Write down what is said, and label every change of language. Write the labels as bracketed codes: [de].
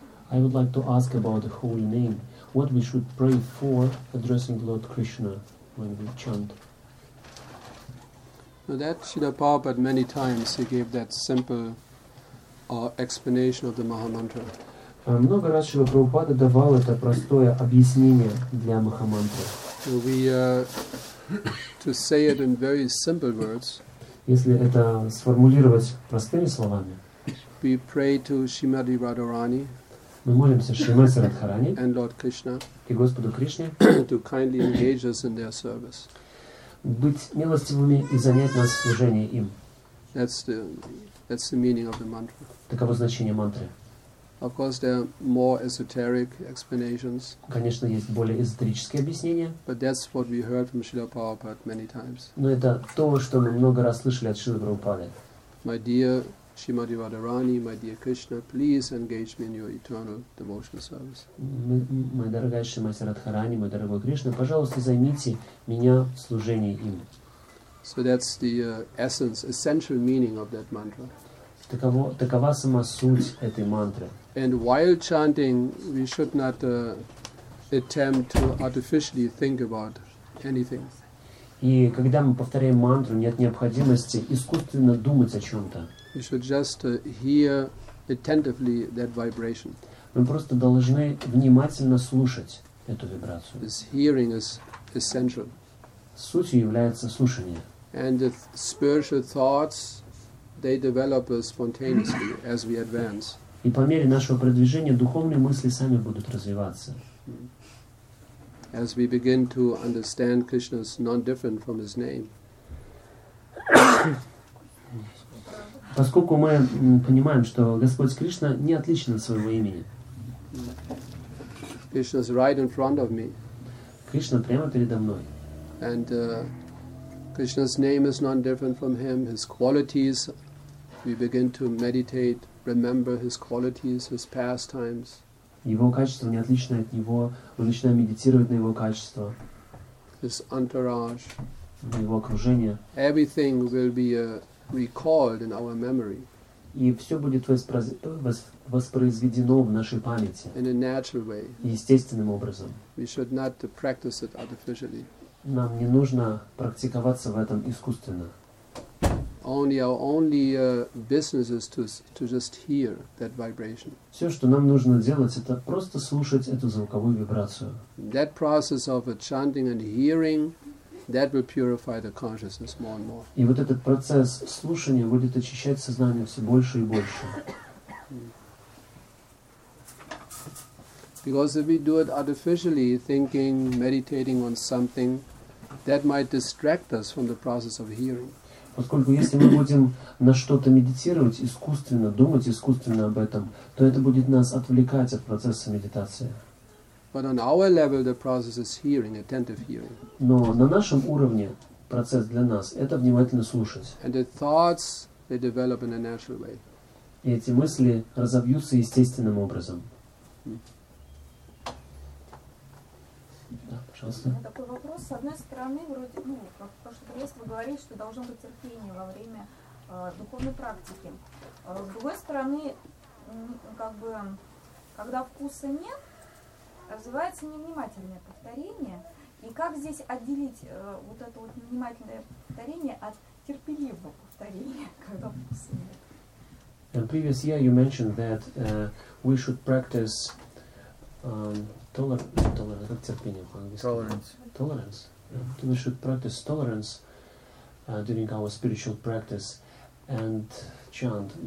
[en] I would like to ask about the holy name. What we should pray for addressing Lord Krishna when we chant? Now that Srila Prabhupada many times he gave that simple explanation of the Maha Mantra. [ru] Много раз Шрила Прабхупада давал это простое объяснение для Маха Мантры. [en] To say it in very simple words. [ru] Если это сформулировать простыми словами. [en] We pray to Shrimati Radharani. [ru] Мы молимся Шримати Радхарани. [en] And Lord Krishna. [ru] И Господу Кришне. [en] To kindly engage us in their service. [ru] Быть милостивыми и занять нас в служении им. [en] That's the meaning of the mantra. [ru] Таково значение мантры. [en] Of course, there are more esoteric explanations. [ru] Конечно, есть более эзотерические объяснения. [en] But that's what we heard from Srila Prabhupada many times. [ru] Но это то, что мы много раз слышали от Шрилы Прабхупады. [en] My dear Shrimati Radharani, my dear Krishna, please engage me in your eternal devotional service. [ru] Моя дорогая Шримати Радхарани, мой дорогой Кришна, пожалуйста, займите меня в служении им. [en] So that's the essential meaning of that mantra. [ru] Такова сама суть этой мантры. [en] And while chanting, we should not attempt to artificially think about anything. [ru] И когда мы повторяем мантру, нет необходимости искусственно думать о чем-то. [en] We should just hear attentively that vibration. [ru] Мы просто должны внимательно слушать эту вибрацию. [en] This hearing is essential. [ru] Сутью является слушание. [en] And the spiritual thoughts, they develop spontaneously as we advance. [ru] И по мере нашего продвижения духовные мысли сами будут развиваться. [en] As we begin to understand Krishna's non-different from his name. [ru] Поскольку мы понимаем, что Господь Кришна не отличен от своего имени. [en] Krishna's right in front of me. [ru] Кришна прямо передо мной. [en] And Krishna's name is non-different from him, his qualities. We begin to meditate, remember his qualities, his pastimes. [ru] Его качество не отличное от него. Мы начинаем медитировать на его качество. [en] His entourage. [ru] Его окружение. [en] Everything will be recalled in our memory. [ru] И все будет воспроизведено в нашей памяти. [en] In a natural way. [ru] Естественным образом. [en] We should not practice it artificially. [ru] Нам не нужно практиковаться в этом искусственно. [en] Only our only business is to just hear that vibration. [ru] Все, что нам нужно делать, это просто слушать эту звуковую вибрацию. [en] That process of chanting and hearing, that will purify the consciousness more and more. [ru] И вот этот процесс слушания будет очищать сознание все больше и больше. [en] Because if we do it artificially, thinking, meditating on something, that might distract us from the process of hearing. [ru] Поскольку если мы будем на что-то медитировать, искусственно думать, искусственно об этом, то это будет нас отвлекать от процесса медитации. [en] But on our level the process is hearing, attentive hearing. [ru] Но на нашем уровне процесс для нас — это внимательно слушать. [en] And the thoughts, they develop in a natural way. [ru] И эти мысли разовьются естественным образом. Да, такой вопрос. С одной стороны, вроде, ну, как в прошлый раз вы говорили, что должно быть терпение во время духовной практики. С другой стороны, как бы, когда вкуса нет, развивается невнимательное повторение. И как здесь отделить вот это вот невнимательное повторение от терпеливого повторения, когда вкуса нет? [en] In previous year you mentioned that we should practice tolerance. We should practice tolerance during our spiritual practice and chant.